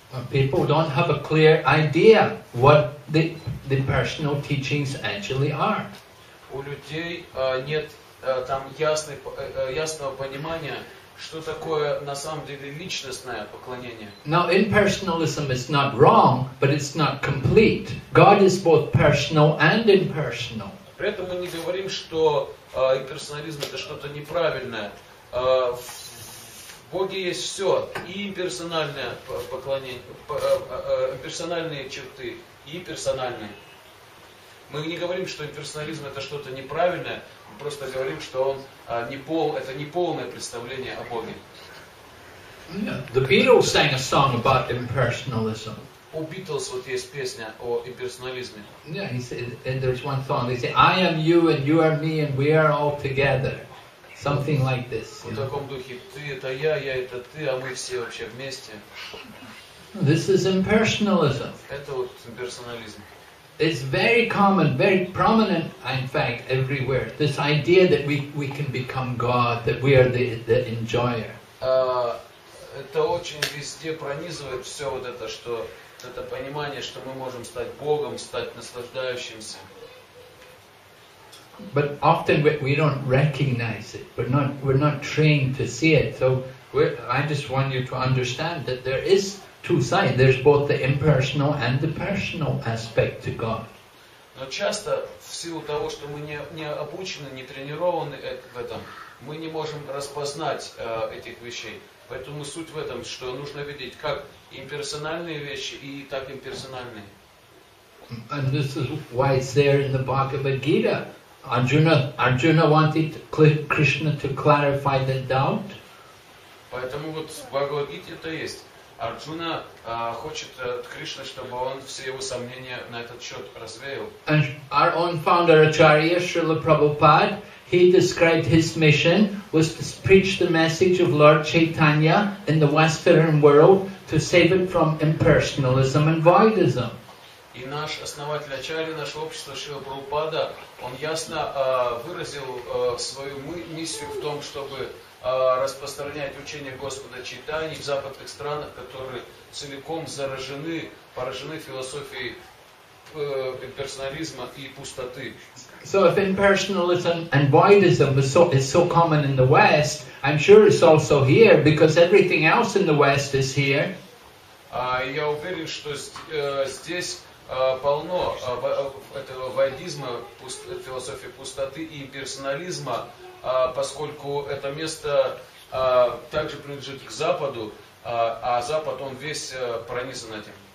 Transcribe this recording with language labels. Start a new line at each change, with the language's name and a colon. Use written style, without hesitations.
English: People don't have a clear idea what the personal teachings actually are.
Russian: У людей нет там ясного понимания, что такое на самом деле личностное поклонение.
English: Now, impersonalism is not wrong, but it's not complete. God is both personal and impersonal.
Russian: При этом мы не говорим, что имперсонализм это что-то неправильное. В Боге есть все, и имперсональное поклонение, имперсональные черты, и персональные. Мы не говорим, что имперсонализм это что-то неправильное, мы просто говорим, что он это не полное представление о Боге.
English: Yeah. The Beatles sang a song about impersonalism.
Russian: У Beatles вот есть песня о имперсонализме.
English: Yeah, he said, and there's one song. They say, I am you and you are me and we are all together. Something like this.
Russian: В таком духе. Ты это я это ты, а мы все вообще вместе.
English: This is impersonalism.
Russian: Это вот имперсонализм.
English: It's very common, very prominent, in fact, everywhere. This idea that we can become God, that we are the enjoyer.
Russian: это очень везде пронизывает все вот это, что это понимание, что мы можем стать Богом, стать наслаждающимся.
English: But often we don't recognize it. We're not trained to see it. So I just want you to understand that there is two sides. There's both the impersonal and the personal aspect to God.
Russian: Но часто в силу того, что мы не обучены, не тренированы в этом, мы не можем распознать этих вещей. Поэтому суть в этом, что нужно видеть как имперсональные вещи и так имперсональные.
English: And this is why it's there in the Bhagavad Gita. Arjuna wanted Krishna to clarify the doubt.
Russian: Поэтому вот в Бхагавад Гите это есть. Арджуна хочет от Кришны, чтобы он все его сомнения на этот счет развеял.
English: And our own founder Acharya Srila Prabhupada, he described his mission was to preach the message of Lord Chaitanya in the Western world to save it from impersonalism and voidism.
Russian: И наш основатель Ачарья, наше общество Шрила Прабхупада, он ясно выразил свою миссию в том, чтобы распространять учение Господа Чайтаньи в западных странах, которые целиком заражены, поражены философией имперсонализма и пустоты.
English: So if impersonalism and voidism is so common in the West, I'm sure it's also here, because everything else in the West is here.
Russian: Я уверен, что здесь полно этого воидизма, философии пустоты и имперсонализма, поскольку это место также принадлежит к Западу, а Запад, он весь пронизан этим.